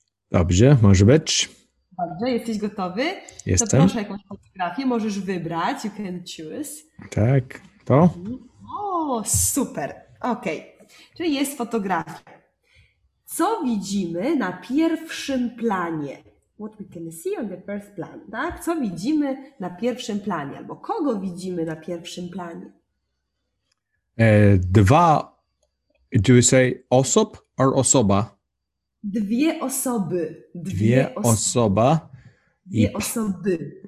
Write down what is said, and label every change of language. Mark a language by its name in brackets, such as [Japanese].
[Polish] Dobrze, może być. Dobrze, jesteś gotowy? Jestem. To proszę jakąś fotografię, możesz wybrać. [English] You can choose. [Polish] Tak, to? O, super. Ok, czyli jest fotografia. Co widzimy na pierwszym planie? [English] What we can see on the first plan, tak? [Polish] Co widzimy na pierwszym planie? Albo kogo widzimy na pierwszym planie? [English] Dwa, do you say osób or osoba? [Polish] Dwie osoby. Dwie osoba. Dwie osoby.